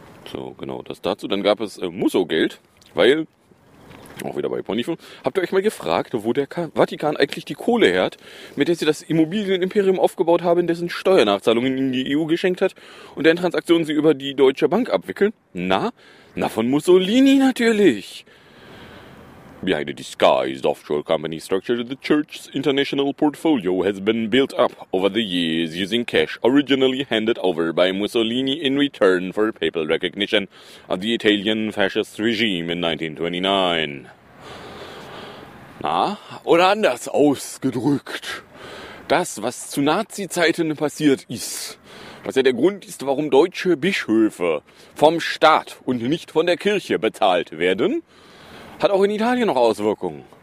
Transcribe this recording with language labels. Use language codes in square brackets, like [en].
[de] So, genau, das dazu. Dann gab es Musso-Geld, weil, auch wieder bei Ponyfilm, habt ihr euch mal gefragt, wo der Vatikan eigentlich die Kohle hat, mit der sie das Immobilienimperium aufgebaut haben, dessen Steuernachzahlungen in die EU geschenkt hat und deren Transaktionen sie über die Deutsche Bank abwickeln? Na, von Mussolini natürlich. [en] Behind a disguised offshore company structure, the church's international portfolio has been built up over the years using cash originally handed over by Mussolini in return for papal recognition of the Italian fascist regime in 1929. [de] Na, oder anders ausgedrückt. Das, was zu Nazi-Zeiten passiert ist, was ja der Grund ist, warum deutsche Bischöfe vom Staat und nicht von der Kirche bezahlt werden, hat auch in Italien noch Auswirkungen.